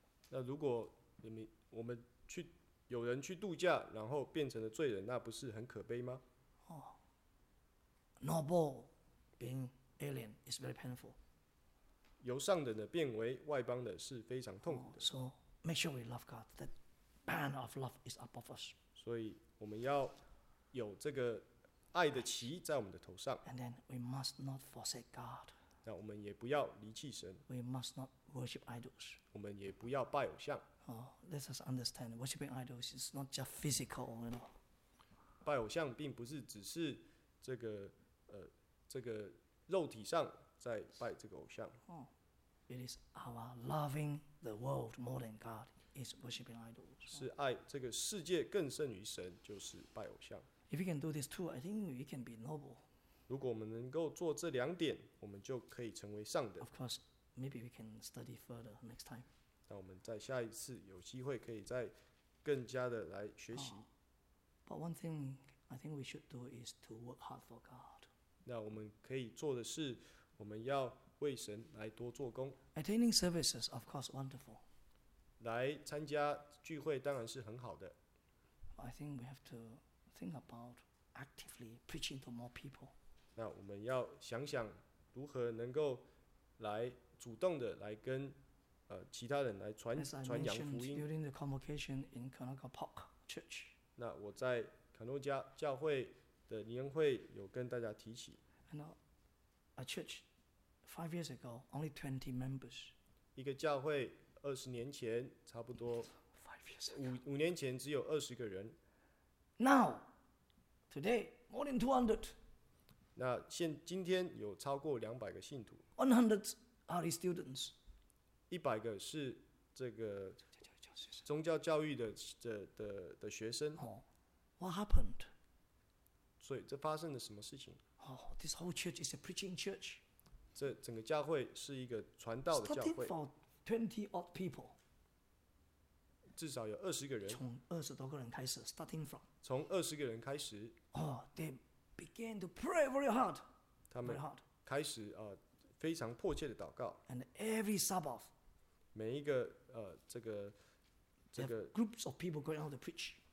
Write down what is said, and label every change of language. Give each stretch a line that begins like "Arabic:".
Chinese: 那如果我们去有人去度假，然后变成了罪人，那不是很可悲吗？
English: 哦、noble being alien is very painful.
Chinese: 由上等的变为外邦的是非常痛苦的。
English: Oh, so make sure we love God. The band of love is above us.
Chinese: 所以我们要有这个爱的旗在我们的头上。
English: And then we must not forsake God.
Chinese: 那我们也不要离弃神。
English: We must not worship idols.
Chinese: 我们也不要拜偶像。
English: Oh, let us understand, worshiping idols is not just physical, you know.
Chinese: 拜偶像并不是只是这个这个肉体上在拜这个偶像。
English: Oh, it is our loving the world more than God is worshiping idols.
Chinese: 是爱这个世界更胜于神，就是拜偶像。
English: If we can do this too, I think we can be noble.
Chinese: 如果我们能够做这两点，我们就可以成为上等。
English: Of course, maybe we can study further next time.
Chinese: 那我们在下一次有机会可以再更加的来学习。
English: But one thing I think we should do is to work hard for God.
Chinese: 那我们可以做的是，我们要为神来多做工。
English: Attending services, of course, wonderful.
Chinese: 来参加聚会当然是很好的。
English: I think we have to think about actively preaching to more people.
Chinese: 那我们要想想如何能够来主动的来跟其他人来传扬福音。
English: During the convocation in Kanoka Park Church.
Chinese: 那我在肯诺加教会的年会有跟大家提起。
English: And a church 5 years ago only 20 members.
Chinese: 一个教会20年前差不多五年前只有20个人。
English: Now, today more than 200.
Chinese: 那今天有超过200个信徒
English: ，100 are students，
Chinese: 100个是这个宗教教育的学生。
English: Oh, what happened？
Chinese: 所以这发生了什么事情
English: ？Oh, this whole church is a preaching church。
Chinese: 这整个教会是一个传道的教会。
English: Starting for 20-odd people，
Chinese: 至少有20个人。从20多个人开始 ，
English: starting from。
Chinese: 从20个人开始。
English: Oh, they。Began to pray very hard.
Chinese: 他们开始非常迫切的祷告。
English: And every Sabbath,
Chinese: 每一个这个
English: groups of people going out to preach.